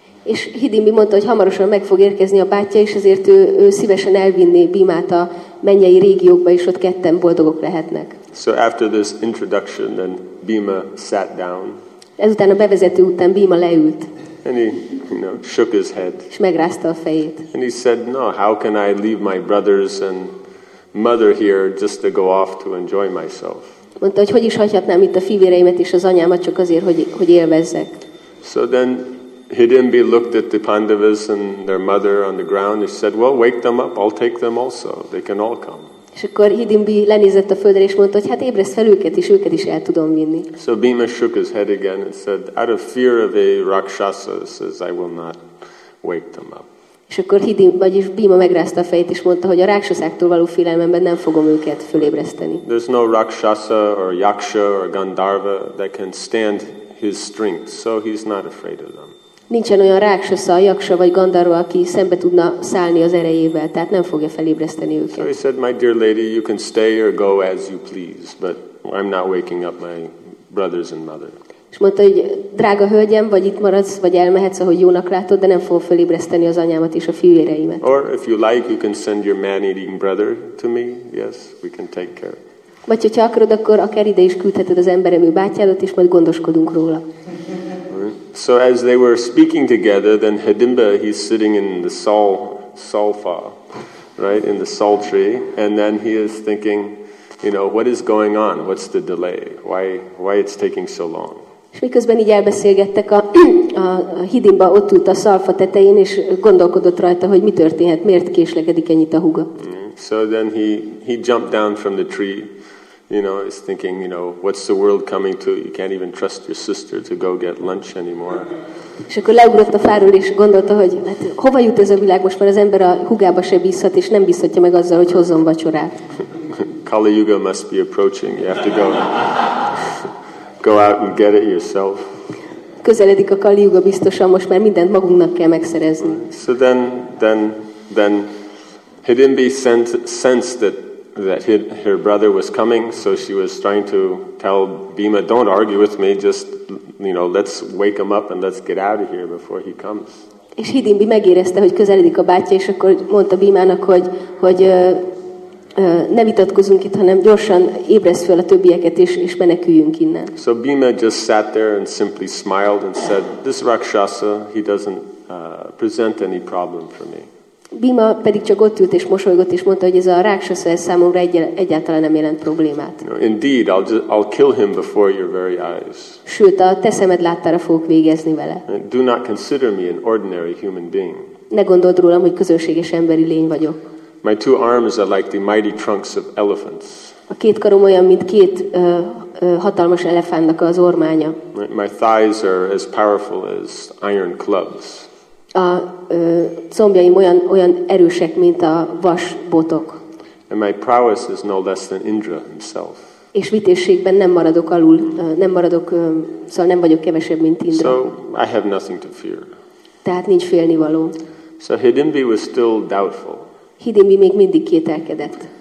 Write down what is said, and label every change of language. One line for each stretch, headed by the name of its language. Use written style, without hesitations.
Hungarian: És Hidimbi mondta, hogy hamarosan meg fog érkezni a bátyja, és ezért ő szívesen elvinné Bhimát a mennyei régiókba, és ott ketten boldogok lehetnek.
English: So after this introduction, then Bhima sat down.
Hungarian: Ezután a bevezető után Bhima leült.
English: And he, you know, shook his head.
Hungarian: És megrázta a fejét.
English: And he said, no, how can I leave my brothers and mother here just to go off to enjoy myself?
Hungarian: Mondta, hogy hogy is hagyhatnám itt a fivéreimet és az anyámat csak azért, hogy élvezzek.
English: So then Hidimbi looked at the Pandavas and their mother on the ground and said, well, wake them up, I'll take them also. They can all come.
Hungarian: És akkor Hidimbi lenézett a földre és mondta, hogy hát ébreszt fel őket, és őket is el tudom vinni.
English: So Bhima shook his head again and said, out of fear of a rakshasa, says, I will not wake them up.
Hungarian: És akkor Bhima megrázta a fejét és mondta, hogy a rákshasáktól való félelmemben nem fogom őket fölébreszteni.
English: There's no rakshasa or yaksha or gandharva that can stand his strength, so he's not afraid of them.
Hungarian: Nincsen olyan Rákssasa, Jaksa vagy Gandharva, aki szembe tudna szállni az erejével, tehát nem fogja felébreszteni őket.
English: So he said, my dear lady, you can stay or go as you please, but I'm not waking up my brothers and mother.
Hungarian: És mondta, hogy drága hölgyem, vagy itt maradsz, vagy elmehetsz, ahogy jónak látod, de nem fogom felébreszteni az anyámat és a fiúéreimet.
English: Or if you like, you can send your man-eating brother to me. Yes, we can take care.
Hungarian: Vagy hogyha akarod, akkor akár ide is küldheted az emberemű bátyádat, és majd gondoskodunk róla.
English: So as they were speaking together, then Hidimba, he's sitting in the salfa, right, in the sal tree, and then he is thinking, you know, what is going on? What's the delay? Why it's taking so long?
Hungarian: És miközben így elbeszélgettek, a Hidimba ott ült a szalfa tetején, és gondolkodott rajta, hogy mi történhet, miért késlekedik ennyit a húga.
English: So then he jumped down from the tree, you know, is thinking, you know, what's the world coming to? You can't even trust your sister to go get lunch anymore.
Hungarian: És akkor leugrott a fáról, és gondolta, hogy hát hova jut ez a világ most, mert az ember a húgába se bízhat, és nem bízhatja meg azzal, hogy hozzon vacsorát.
English: Kali Yuga must be approaching. You have to go out and get it yourself.
Hungarian: Közeledik a Kali Yuga biztosan, most már mindent magunknak kell megszerezni.
English: So then Hidimbi sensed that her brother was coming, so she was trying to tell Bhima, don't argue with me, just, you know, let's wake him up and let's get out of here before he comes.
Hungarian: És Hidimbi megérezte, hogy közeledik a bátyja, és akkor mondta Bhimának, hogy ne vitatkozunk itt, hanem gyorsan ébresz fel a többieket, és meneküljünk innen.
English: So Bhima just sat there and simply smiled and said, this Rakshasa, he doesn't present any problem for me.
Hungarian: Bhima pedig csak ott ült és mosolygott, és mondta, hogy ez a Rákssasa számomra egyáltalán nem jelent problémát.
English: No, indeed, I'll kill him before your very eyes.
Hungarian: Sőt, a te szemed láttára fogok végezni vele.
English: Do not consider me an ordinary human being.
Hungarian: Ne gondold rólam, hogy közönséges emberi lény vagyok.
English: My two arms are like the mighty trunks of elephants.
Hungarian: A két karom olyan, mint két hatalmas elefántnak az ormánya.
English: My thighs are as powerful as iron clubs.
Hungarian: A combjaim olyan erősek, mint a vas botok.
English: And my prowess is no less than Indra himself.
Hungarian: És vitézségben nem maradok alul, nem maradok, szóval nem vagyok kevesebb, mint Indra.
English: So I have nothing to fear.
Hungarian: Tehát nincs félnivaló.
English: So Hidimbi was still doubtful.
Hungarian: Hidimbi még mindig kételkedett.